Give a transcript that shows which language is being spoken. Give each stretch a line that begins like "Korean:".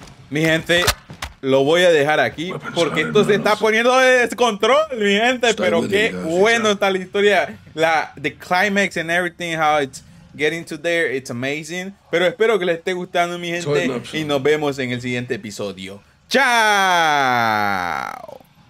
Spanish: Mi gente, lo voy a dejar aquí porque esto se está poniendo de descontrol, mi gente. Pero qué bueno está la historia.
English: The climax and everything, how it's getting to there, it's amazing.
Spanish: Pero espero que les esté gustando, mi gente. Y nos vemos en el siguiente episodio. ¡Chao!